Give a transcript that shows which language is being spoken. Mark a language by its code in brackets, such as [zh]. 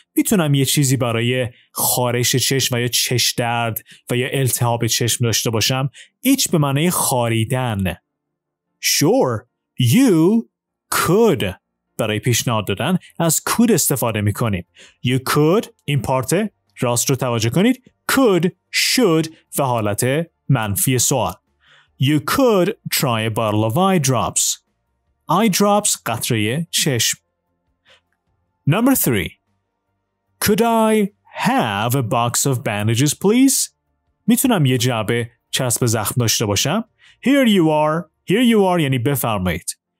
[fa] میتونم یه چیزی برای خارش چشم و یا چش درد و یا التهاب چشم داشته باشم؟ ایچ به معنی خاریدن. [en] Sure, you could. [fa] برای پیشنهاد دادن از could استفاده میکنیم. [en] You could, [fa] این پارت راست رو توجه کنید. Could, should و حالت منفی سوال. [en] You could try a bottle of eye drops. Eye drops [fa] قطره چشم. [en] Number three. Could I have a box of bandages, please? [fa] میتونم یه جعبه چسب زخم داشته باشم؟ [en] Here you are, [fa] یعنی بفرمایید.